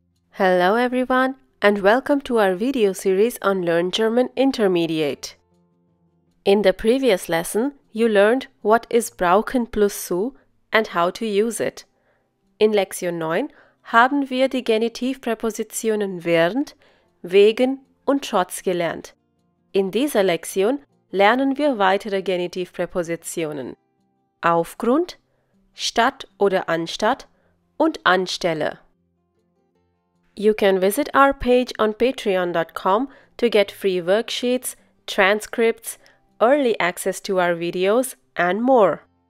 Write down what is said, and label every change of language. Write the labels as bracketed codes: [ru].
[en] Hello everyone, and welcome to our video series on Learn German Intermediate. In the previous lesson, you learned what is brauchen plus zu and how to use it. [de] In Lektion 9 haben wir die Genitivpräpositionen während, wegen und trotz gelernt. In dieser Lektion lernen wir weitere Genitivpräpositionen: aufgrund, statt oder anstatt und anstelle. [en] You can visit our page on patreon.com to get free worksheets, transcripts, early access to our videos and more.